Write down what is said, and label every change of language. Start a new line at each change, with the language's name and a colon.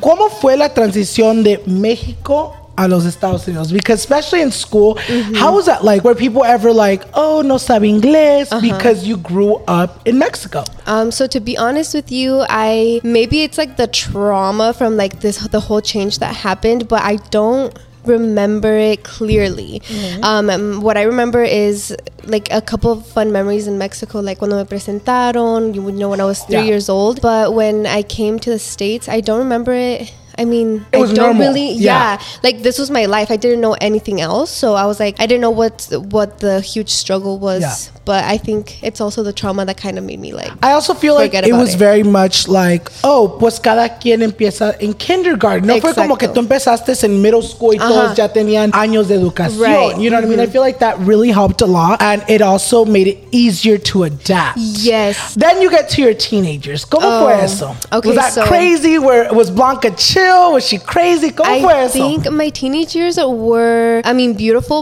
Spanish: ¿Cómo fue la transición de México a los Estados Unidos?
English: Because especially in school, how was that like? Were people ever like, oh,
Spanish: no sabe inglés,
English: because you grew up in Mexico? So to be honest with you, maybe it's like the trauma from like this, the whole change that happened, but I don't remember it clearly. What I remember is like a couple of fun memories in Mexico, like
Spanish: cuando me presentaron,
English: you would know, when I was three years old. But when I came to the States, I don't remember it. I mean, it was I don't normal. Really like, this was my life. I didn't know anything else, so I was like, I didn't know what the huge struggle was. But I think it's also the trauma that kind of made me like, I also feel like it was very much like, oh,
Spanish: pues cada quien empieza en kindergarten. No fue como que tú empezaste en middle school y todos ya tenían años de educación.
English: Right. You know what I mean? I feel like that really helped a lot. And it also made it easier to adapt. Yes. Then you get to your teenagers.
Spanish: ¿Cómo fue eso?
English: Okay, was that crazy? Was Blanca chill? Was she crazy? I think my teenage years were, I mean, beautiful.